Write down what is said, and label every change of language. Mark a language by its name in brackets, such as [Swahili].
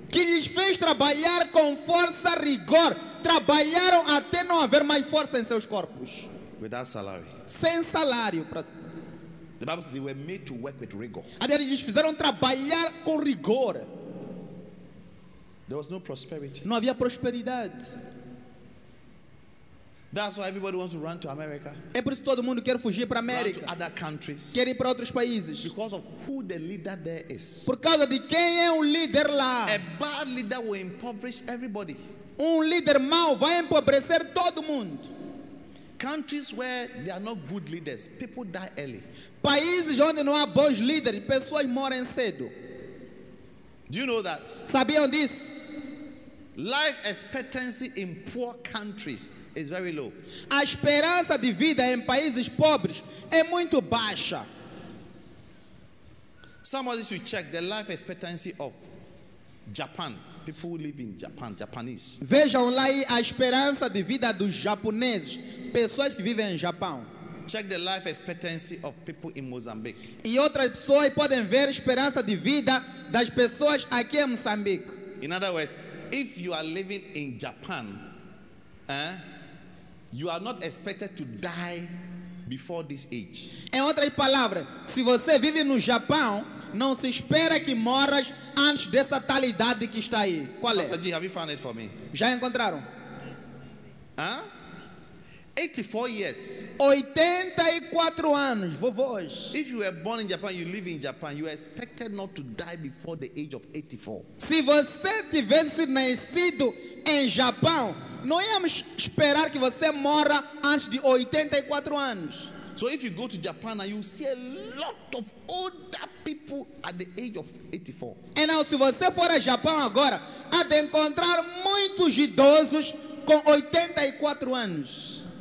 [Portuguese] Que lhes fez trabalhar com força, rigor. Trabalharam até não haver mais força em seus corpos. [English] Without salary. [Portuguese] Sem salário. [English] The Bible says they were made to work with rigor. [Portuguese] Aliás, eles fizeram trabalhar com rigor. [English] There was no prosperity. [Portuguese] Não havia prosperidade. [English] That's why everybody wants to run to America. [Portuguese] É por isso que todo mundo quer fugir para América. [English] Run to other countries. [Portuguese] Quer ir para outros países. [English] Because of who the leader there is. [Portuguese] Por causa de quem é líder lá. [English] A bad leader will impoverish everybody. [Portuguese] Líder mau vai empobrecer todo mundo. [English] Countries where there are not good leaders, people die early. [Portuguese] Países onde não há bons líderes, pessoas morrem cedo. [English] Do you know that? [Portuguese] Sabiam disso? [English] Life expectancy in poor countries is very low. [Portuguese] A esperança de vida em países pobres é muito baixa. [English] Somebody should check the life expectancy of Japan. People who live in Japan, Japanese. [Portuguese] Vejam lá a esperança de vida dos japoneses, pessoas que vivem em Japão. [English] Check the life expectancy of people in Mozambique. [Portuguese] E outras pessoas podem ver a esperança de vida das pessoas aqui em Moçambique. [English] In other words, if you are living in Japan, you are not expected to die before this age. [Portuguese] Em outras palavras, se você vive no Japão, não se espera que morras antes dessa tal idade que está aí. Qual é? [English] Pastor G, have you found it for me? [Portuguese] Já encontraram? [English] 84 years. [Portuguese] 84 anos, vovós. [English] If you were born in Japan, you live in Japan, you are expected not to die before the age of 84. [Portuguese] Se você tivesse nascido em Japão, não íamos esperar que você morra antes de 84 anos. [English] So if you go to Japan and you see a lot of older people at the age of 84. [Portuguese] E não, se você for a Japão agora, há de encontrar muitos idosos com 84 anos.